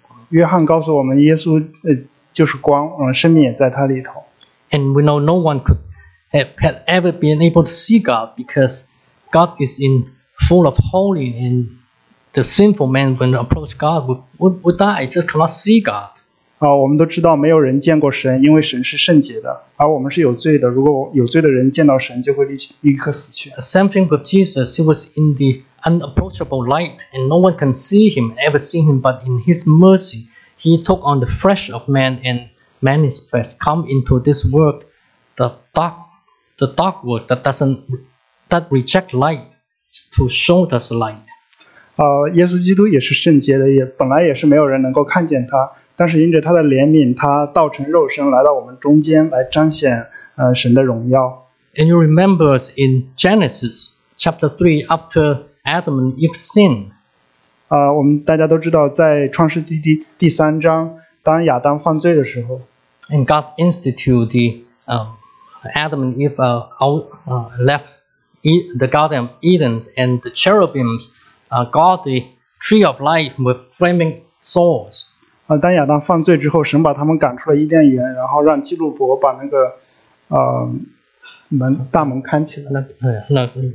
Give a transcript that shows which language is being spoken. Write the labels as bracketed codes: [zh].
[zh] 约翰告诉我们，耶稣就是光，生命也在他里头。 [en] And we know no one could have ever been able to see God because God is in full of holy, and the sinful man when approach God would die, just cannot see God. [zh] 我们都知道没有人见过神，因为神是圣洁的，而我们是有罪的。如果有罪的人见到神，就会立刻死去。 [en] Same thing with Jesus. He was in the unapproachable light, and no one can see him, ever see him, but in his mercy, he took on the flesh of man, and man is first come into this world, the dark world that reject light, to show us light. [zh] 耶稣基督也是圣洁的，也本来也是没有人能够看见他，但是因着他的怜悯，他道成肉身来到我们中间，来彰显神的荣耀。 [en] And you remember in Genesis chapter 3, after Adam and Eve sin. [zh] 我们大家都知道，在创世纪第三章，当亚当犯罪的时候 [en] ，and God instituted Adam and Eve left the Garden of Eden, and the cherubims guard the tree of life with flaming swords. [zh] 当亚当犯罪之后，神把他们赶出了伊甸园，然后让基路伯把那个大门看起来。